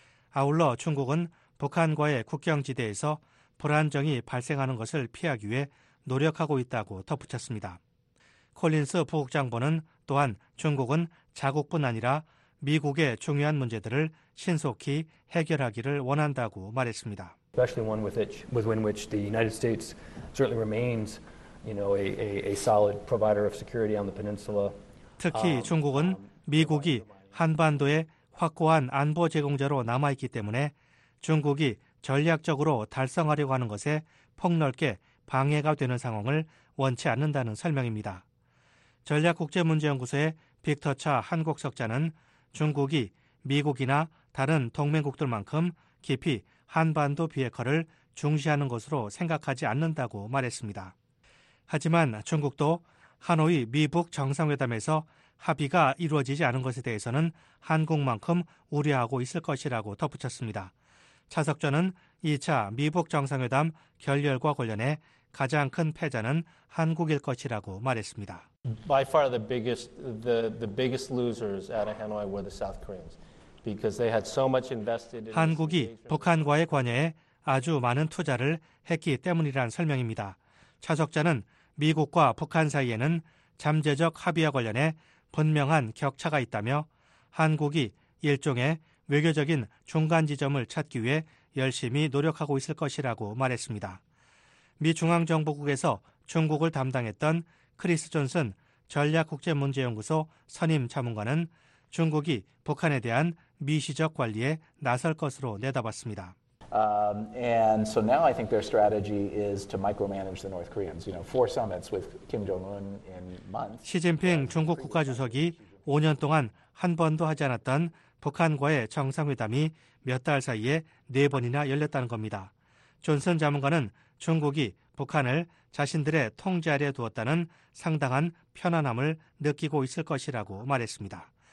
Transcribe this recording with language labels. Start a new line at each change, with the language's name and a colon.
Korean: 아울러 중국은 북한과의 국경지대에서 불안정이 발생하는 것을 피하기 위해 노력하고 있다고 덧붙였습니다. 콜린스 부국장보는 또한 중국은 자국뿐 아니라 미국의 중요한 문제들을 신속히 해결하기를 원한다고 말했습니다.
English: Especially one with which the United States certainly remains, you know, a solid provider of security on the peninsula.
Korean: 특히 중국은 미국이 한반도에 확고한 안보 제공자로 남아 있기 때문에 중국이 전략적으로 달성하려고 하는 것에 폭넓게 방해가 되는 상황을 원치 않는다는 설명입니다. 전략국제문제연구소의 빅터 차 한국 석좌는 중국이 미국이나 다른 동맹국들만큼 깊이 한반도 비핵화를 중시하는 것으로 생각하지 않는다고 말했습니다. 하지만 중국도 하노이 미북 정상회담에서 합의가 이루어지지 않은 것에 대해서는 한국만큼 우려하고 있을 것이라고 덧붙였습니다. 차석전은 2차 미북 정상회담 결렬과 관련해 가장 큰 패자는 한국일 것이라고 말했습니다.
English: By far the biggest losers out of Hanoi were the South Koreans because they had so much invested in
Korean: 한국이 북한과의 관여에 아주 많은 투자를 했기 때문이라는 설명입니다. 차석자는 미국과 북한 사이에는 잠재적 합의와 관련해 분명한 격차가 있다며 한국이 일종의 외교적인 중간 지점을 찾기 위해 열심히 노력하고 있을 것이라고 말했습니다. 미 중앙정보국에서 중국을 담당했던 크리스 존슨 전략국제문제연구소 선임 자문관은 중국이 북한에 대한 미시적 관리에 나설 것으로 내다봤습니다.
English: And so now I think their strategy is to micromanage the North Koreans. You know, four summits with Kim Jong-un in months.
Korean: 시진핑 중국 국가주석이 5년 동안 한 번도 하지 않았던 북한과의 정상회담이 몇 달 사이에 네 번이나 열렸다는 겁니다. 존슨 자문관은 중국이 북한을 자신들의 통제 아래 두었다는 상당한 편안함을 느끼고 있을 것이라고 말했습니다.